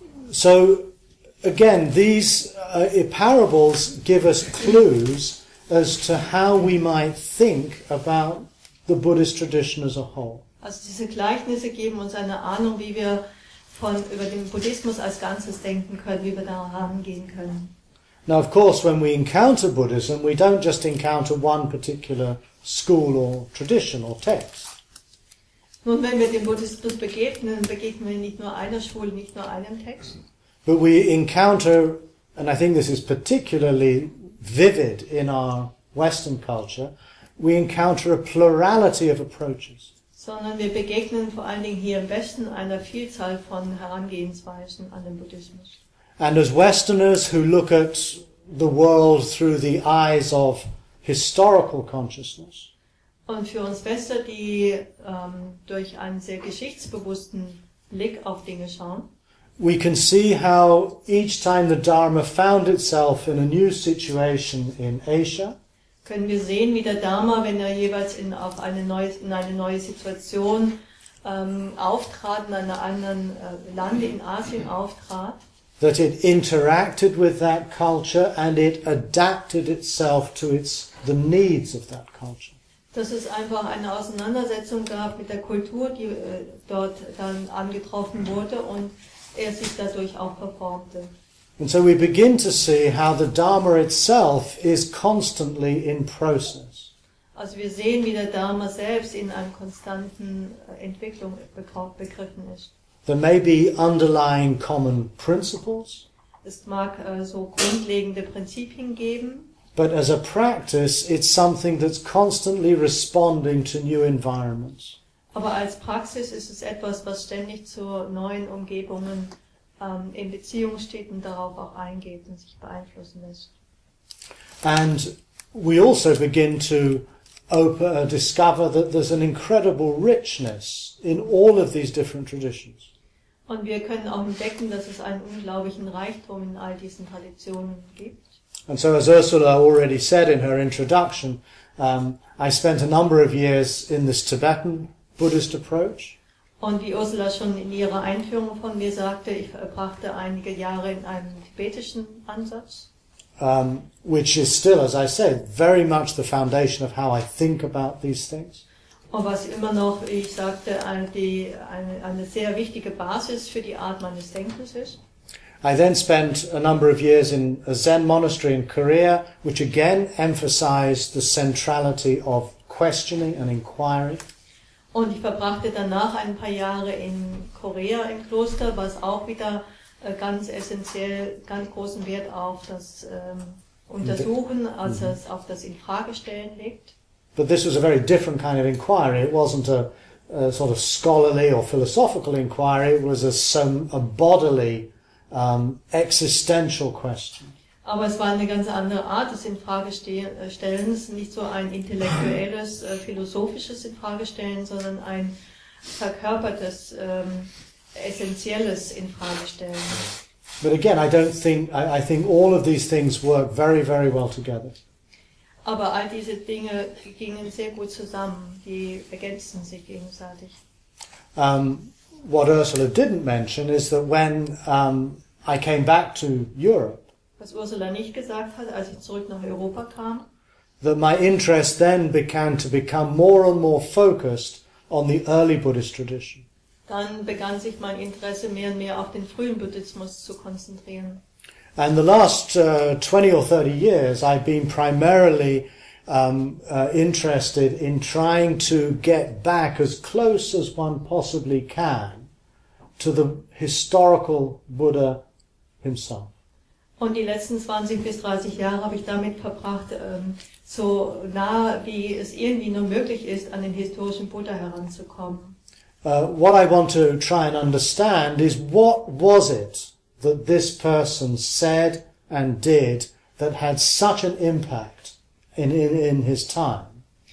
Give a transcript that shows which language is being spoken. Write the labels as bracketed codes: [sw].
[en] So, again, these parables give us clues as to how we might think about the Buddhist tradition as a whole. [de] Also diese Gleichnisse geben uns eine Ahnung, wie wir über den Buddhismus als Ganzes denken können, wie wir da rangehen können. [en] Now of course, when we encounter Buddhism, we don't just encounter one particular school or tradition or text. [de] Nun, wenn wir dem Buddhismus begegnen, begegnen wir nicht nur einer Schule, nicht nur einem Text. [en] But we encounter, and I think this is particularly vivid in our Western culture, we encounter a plurality of approaches. [de] Sondern wir begegnen vor allen Dingen hier im Westen einer Vielzahl von Herangehensweisen an den Buddhismus. [en] And as Westerners who look at the world through the eyes of historical consciousness. [de] Und für uns Wester, die durch einen sehr geschichtsbewussten Blick auf Dinge schauen. [en] We can see how each time the Dharma found itself in a new situation in Asia. [de] Können wir sehen, wie der Dharma, wenn er jeweils in eine neue Situation auftrat, in einem anderen Lande in Asien auftrat, [en] that it interacted with that culture and it adapted itself to the needs of that culture. [de] Dass es einfach eine Auseinandersetzung gab mit der Kultur, die dort dann angetroffen wurde und er sich dadurch auch verformte. [en] And so we begin to see how the Dharma itself is constantly in process. [de] Also wir sehen, wie der Dharma selbst in einer konstanten Entwicklung begriffen ist. [en] There may be underlying common principles. [de] Es mag so grundlegende Prinzipien geben. [en] But as a practice, it's something that's constantly responding to new environments. [de] Aber als Praxis ist es etwas, was ständig zu neuen Umgebungen in Beziehung steht und darauf auch eingeht und sich beeinflussen lässt. [en] And we also begin to discover that there's an incredible richness in all of these different traditions. [de] Und wir können auch entdecken, dass es einen unglaublichen Reichtum in all diesen Traditionen gibt. [en] And so as Ursula already said in her introduction, I spent a number of years in this Tibetan Buddhist approach. [de] Und wie Ursula schon in ihrer Einführung von mir sagte, ich verbrachte einige Jahre in einem tibetischen Ansatz. [en] Which is still, as I said, very much the foundation of how I think about these things. [de] Und was immer noch, ich sagte, eine sehr wichtige Basis für die Art meines Denkens ist. [en] I then spent a number of years in a Zen monastery in Korea, which again emphasized the centrality of questioning and inquiry. [de] Und ich verbrachte danach ein paar Jahre in Korea im Kloster, was auch wieder ganz essentiell, ganz großen Wert auf das Untersuchen, also auf das Infragestellen legt. [en] But this was a very different kind of inquiry. It wasn't a sort of scholarly or philosophical inquiry. It was a bodily, existential question. [de] Aber es war eine ganz andere Art des Infragestellens, nicht so ein intellektuelles, philosophisches Infragestellen, sondern ein verkörpertes, essentielles Infragestellen. [en] But again, I think all of these things work very, very well together. [de] Aber all diese Dinge gingen sehr gut zusammen, die ergänzten sich gegenseitig. [en] What Ursula didn't mention is that when I came back to Europe, [de] was Ursula nicht gesagt hat, als ich zurück nach Europa kam, [en] that my interest then began to become more and more focused on the early Buddhist tradition. [de] Dann begann sich mein Interesse mehr und mehr auf den frühen Buddhismus zu konzentrieren. [en] And the last 20 or 30 years, I've been primarily interested in trying to get back as close as one possibly can to the historical Buddha himself. [de] Und die letzten 20 bis 30 Jahre habe ich damit verbracht, so nah wie es irgendwie nur möglich ist, an den historischen Buddha heranzukommen. [en] What I want to try and understand is, what was it that this person said and did that had such an impact in his time?